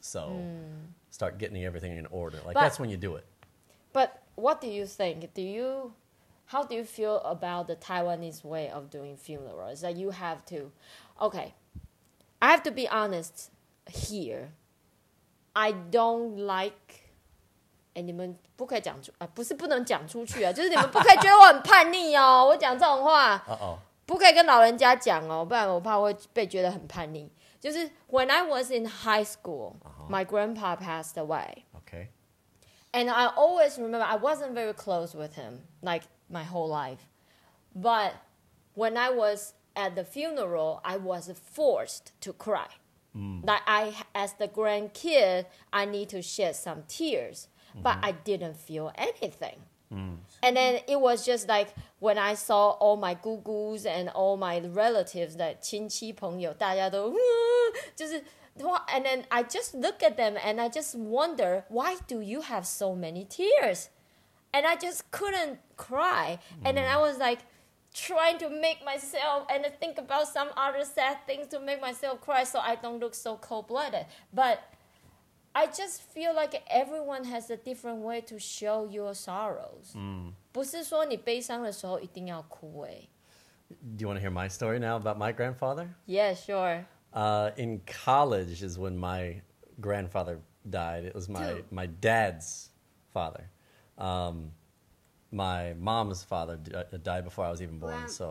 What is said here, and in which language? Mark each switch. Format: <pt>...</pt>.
<en>So start getting everything in order. Like, that's when you do it. But what do you think? How do you feel about the Taiwanese way of doing funeral? Is that you have to... Okay, I have to be honest here. I don't like</en> <zh>哎、欸，你们不可以讲出啊，不是不能讲出去啊，就是你们不可以觉得我很叛逆哦，我讲这种话，不可以跟老人家讲哦，不然我怕会被觉得很叛逆。</zh> <en>就是 when I was in high school,、uh-huh. my grandpa passed away. Okay. And I always remember I wasn't very close with him like my whole life. But when I was at the funeral, I was forced to cry.、 Mm. Like I, as the grandkid, I need to shed some tears,、mm-hmm. but I didn't feel anything.、 Mm. And then it was just like,When I saw all my googles and all my relatives, that</en> <zh>亲戚朋友大家都就是</zh> <en>and then I just look at them and I just wonder, why do you have so many tears? And I just couldn't cry. And then I was like trying to make myself and think about some other sad things to make myself cry so I don't look so cold-blooded. But I just feel like everyone has a different way to show your sorrows. Mm.</en> <zh>不是说你悲伤的时候一定要哭耶。</zh> <en>Do you want to hear my story now about my grandfather? Yeah, sure.、 In college is when my grandfather died. It was my dad's father.、my mom's father died before I was even born.</en>